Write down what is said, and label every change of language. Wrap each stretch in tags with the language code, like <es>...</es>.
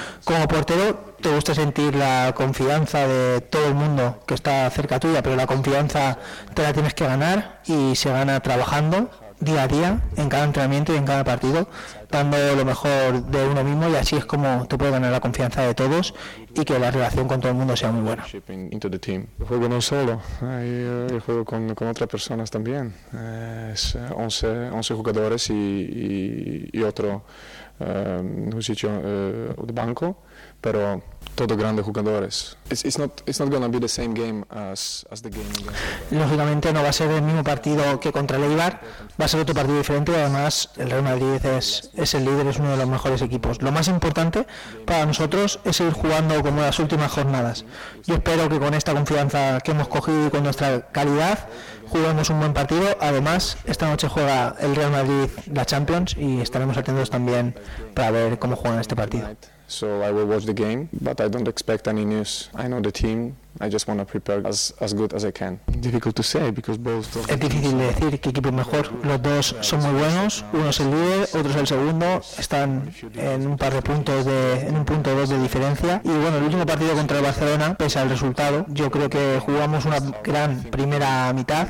<es>Como portero, te gusta sentir la confianza de todo el mundo que está cerca tuya, pero la confianza te la tienes que ganar, y se gana trabajando día a día, en cada entrenamiento y en cada partido, dando lo mejor de uno mismo, y así es como te puedes ganar la confianza de todos y que la relación con todo el mundo sea muy buena. Juego no solo, juego con otras personas también. Es 11 jugadores y otro en un sitio de banco, pero todos grandes jugadores.</es> <en>It's not gonna be the same game as the game.</en> <es>Lógicamente no va a ser el mismo partido que contra el Eibar, va a ser otro partido diferente, y además el Real Madrid es el líder, es uno de los mejores equipos. Lo más importante para nosotros es seguir jugando como las últimas jornadas. Yo espero que con esta confianza que hemos cogido y con nuestra calidad juguemos un buen partido. Además, esta noche juega el Real Madrid la Champions, y estaremos atentos también para ver cómo juegan este partido.</es> <en>So I will watch the game, but I don't expect any news. I know the team. I just want to prepare as good as I can. Difficult to say because both.</en> <es>Es difícil de decir qué equipo es mejor. Los dos son muy buenos. Uno es el líder, otro es el segundo. Están en un par de puntos en un punto o dos de diferencia. Y bueno, el último partido contra el Barcelona, pese al resultado, yo creo que jugamos una gran primera mitad.</es>